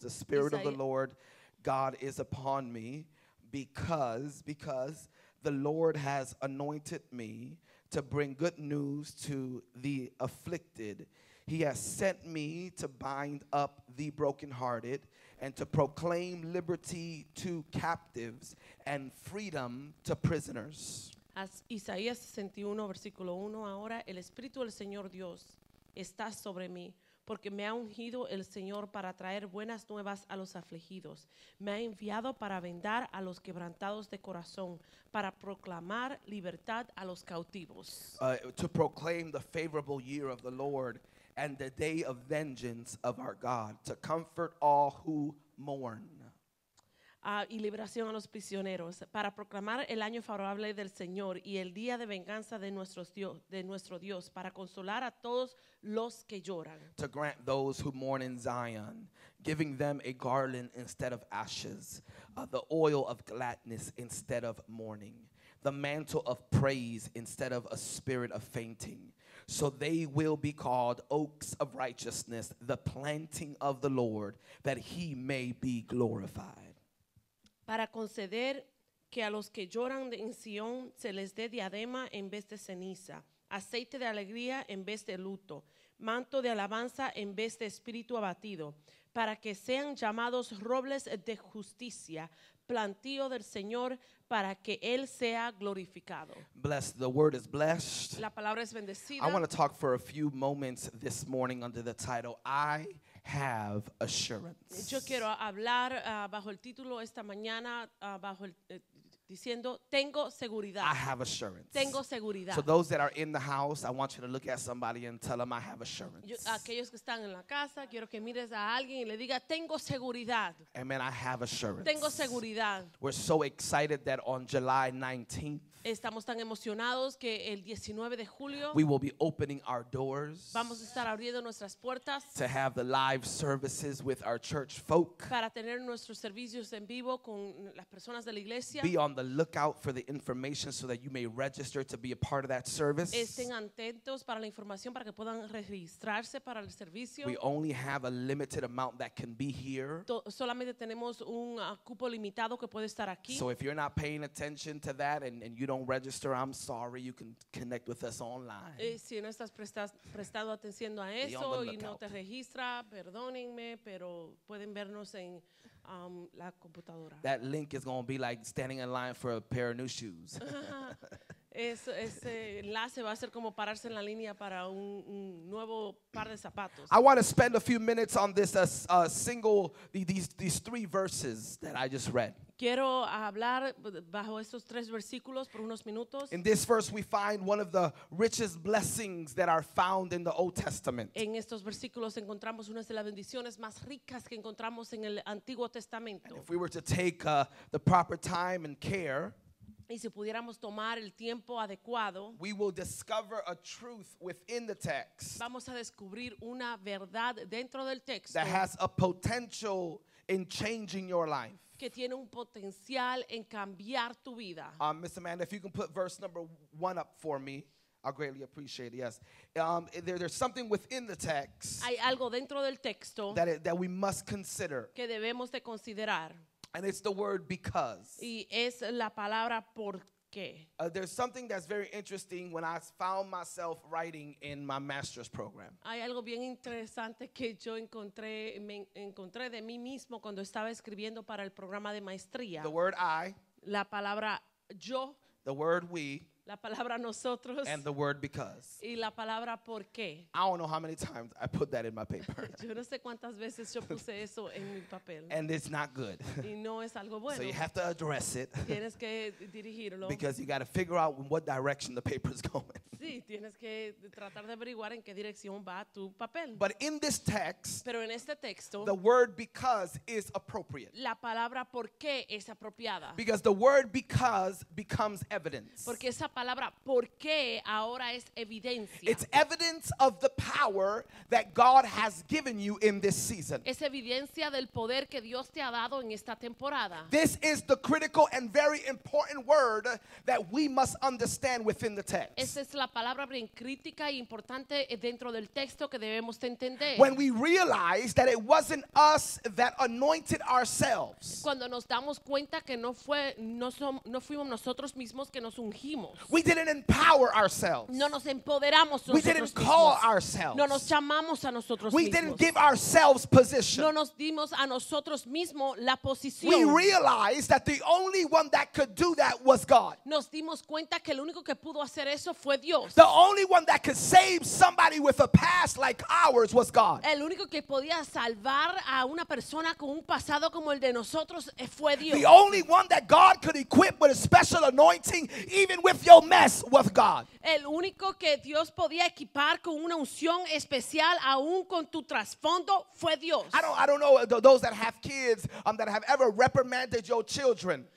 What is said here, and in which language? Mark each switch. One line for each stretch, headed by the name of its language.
English: The Spirit of the Lord God is upon me because the Lord has anointed me to bring good news to the afflicted. He has sent me to bind up the brokenhearted and to proclaim liberty to captives and freedom to prisoners.
Spanish: Isaías 61 versículo 1, ahora el Espíritu del Señor Dios está sobre mí, porque me ha ungido el Señor para traer buenas nuevas a los afligidos. Me ha enviado para vendar a los quebrantados de corazón, para proclamar libertad a los cautivos.
English: To proclaim the favorable year of the Lord and the day of vengeance of our God to comfort all who mourn.
Spanish: Y liberación a los prisioneros para proclamar el año favorable del Señor y el día de venganza de nuestro Dios para consolar a todos los que lloran.
English: To grant those who mourn in Zion, giving them a garland instead of ashes, the oil of gladness instead of mourning, the mantle of praise instead of a spirit of fainting. So they will be called oaks of righteousness, the planting of the Lord, that he may be glorified.
Spanish: Para conceder que a los que lloran en Sion se les dé diadema en vez de ceniza, aceite de alegría en vez de luto, manto de alabanza en vez de espíritu abatido, para que sean llamados robles de justicia, plantío del Señor, para que Él sea glorificado.
English: Blessed, the word is blessed.
Spanish: La palabra es bendecida.
English: I want to talk for a few moments this morning under the title, I have assurance.
Spanish: Yo quiero hablar bajo el título esta mañana bajo el diciendo tengo seguridad.
English: I have assurance.
Spanish: Tengo seguridad.
English: So those that are in the house, I want you to look at somebody and tell them I have assurance.
Spanish: Yo, aquellos que están en la casa, quiero que mires a alguien y le diga tengo seguridad.
English: Amen. I have assurance.
Spanish: Tengo seguridad.
English: We're so excited that on July 19th.
Spanish: Estamos tan emocionados que el 19 de julio
English: we will be opening our doors.
Spanish: Vamos a estar abriendo nuestras puertas
English: to have the live services with our church folk.
Spanish: Para tener nuestros servicios en vivo con las personas de la iglesia.
English: Be on the lookout for the information so that you may register to be a part of that service.
Spanish: Estén atentos para la información para que puedan registrarse para el servicio.
English: We only have a limited amount that can be here.
Spanish: Solamente tenemos un cupo limitado que puede estar aquí.
English: So if you're not paying attention to that and you don't register, I'm sorry, you can connect with us online.
Spanish: Si no estás prestando atención a eso y no te registra, perdónenme, pero pueden vernos en la computadora.
English: That link is going to be like standing in line for a pair of new shoes.
Spanish: Ese enlace va a ser como pararse en la línea para un nuevo par de zapatos.
English: I want to spend a few minutes on this these three verses that I just read.
Spanish: Quiero hablar bajo estos tres versículos por unos minutos.
English: In this verse we find one of the richest blessings that are found in the Old Testament.
Spanish: En estos versículos encontramos una de las bendiciones más ricas que encontramos en el Antiguo Testamento.
English: And if we were to take the proper time and care,
Spanish: y si pudiéramos tomar el tiempo adecuado,
English: we will discover a truth within the text.
Spanish: Vamos a descubrir una verdad dentro del texto.
English: That has a potential in changing your life.
Spanish: Que tiene un potencial en cambiar tu vida.
English: Miss Amanda, if you can put verse number one up for me, I'll greatly appreciate it. Yes. There's something within the text.
Spanish: Hay algo dentro del texto
English: that we must consider.
Spanish: Que debemos de considerar.
English: And it's the word because.
Spanish: Y es la palabra porque.
English: There's something that's very interesting when I found myself writing in my master's program.
Spanish: Hay algo bien interesante que yo encontré de mí mismo cuando estaba escribiendo para el programa de maestría.
English: The word I.
Spanish: La palabra yo.
English: The word we.
Spanish: La palabra nosotros.
English: And the word because.
Spanish: Y la palabra por qué.
English: I don't know how many times I put that in my paper.
Spanish: Yo no sé cuántas veces yo puse eso en mi papel.
English: And it's not good.
Spanish: Y no es algo bueno.
English: So you have to address it.
Spanish: Tienes que dirigirlo.
English: Because you got to figure out in what direction the paper is going.
Spanish: Sí, tienes que tratar de averiguar en qué dirección va tu papel.
English: But in this text,
Spanish: pero en este texto,
English: the word because is appropriate.
Spanish: La palabra por qué es apropiada.
English: Because the word because becomes evidence.
Spanish: Porque esa palabra por qué ahora es evidencia.
English: It's evidence of the power that God has given you in this season.
Spanish: Es evidencia del poder que Dios te ha dado en esta temporada.
English: This is the critical and very important word that we must understand within the text.
Spanish: Esa es la palabra bien crítica y importante dentro del texto que debemos entender.
English: When we realize that it wasn't us that anointed ourselves.
Spanish: Cuando nos damos cuenta que no fuimos nosotros mismos que nos ungimos.
English: We didn't empower ourselves.
Spanish: No nos empoderamos nosotros mismos.
English: We didn't call ourselves.
Spanish: No nos llamamos a nosotros mismos.
English: We didn't give ourselves position.
Spanish: No nos dimos a nosotros mismos la posición.
English: We realized that the only one that could do that was God.
Spanish: Nos dimos cuenta que el único que pudo hacer eso fue Dios.
English: The only one that could save somebody with a past like ours was God.
Spanish: El único que podía salvar a una persona con un pasado como el de nosotros fue Dios.
English: The only one that God could equip with a special anointing, even with your special mess with God.
Spanish: El único que Dios podía equipar con una unción especial aún con tu trasfondo fue Dios.
English: I don't know those that have kids that have ever reprimanded your children.